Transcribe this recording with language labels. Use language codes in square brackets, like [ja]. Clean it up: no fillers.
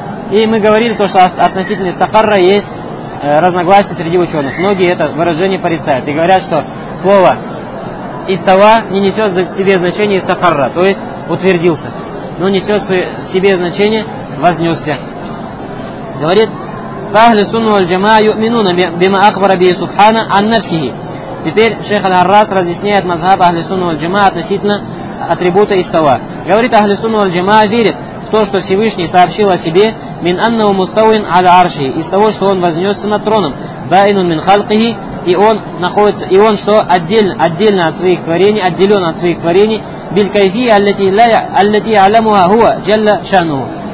[ru] И мы говорили, то, что относительно «истакарра» есть разногласия среди ученых. Многие это выражение порицают и говорят, что слово «Истава» не несет в себе значение «Истахарра», то есть утвердился, но несет в себе значение «вознесся». Говорит, [ar] فأهل السنة والجماعة يؤمنون بما أخبر به سبحانه عن نفسه. [ru] Теперь шейх Аль-Аррас разъясняет мазхаб Ахли Сунна валь-Джамаа относительно атрибута истава. Говорит, Ахли Сунна валь-Джамаа верит в то, что Всевышний сообщил о себе [ar] «Мин аннау мустауин аль-Арши» [ru] из того, что он вознесся над троном [ar] «Дайнун мин халкихи» [ru] и он находится, и он что отдельно от своих творений, отделен от своих творений [ar] «Биль кайфи аль-Лати аламуа хуа джалла шану».